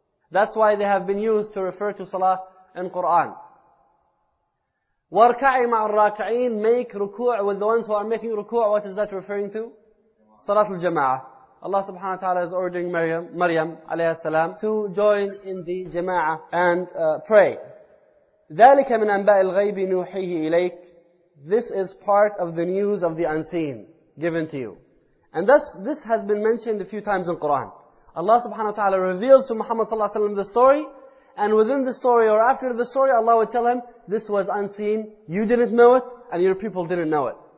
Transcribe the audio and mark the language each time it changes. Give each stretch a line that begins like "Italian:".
English: That's why they have been used to refer to salah in Quran.
Arabic: وَارْكَعِ مَعَ الرَّاكَعِينَ,
English: make ruku' with the ones who are making ruku'. What is that referring to? Salat al-jama'ah. Allah subhanahu wa ta'ala is ordering Maryam alayhi salam to join in the jama'ah and pray.
Arabic: ذلك من أنباء الغيب نوحيه إليك.
English: This is part of the news of the unseen given to you. And this has been mentioned a few times in Quran. Allah subhanahu wa ta'ala reveals to Muhammad sallallahu alayhi wa sallam the story, and within the story or after the story, Allah would tell him, this was unseen, you didn't know it, and your people didn't know it.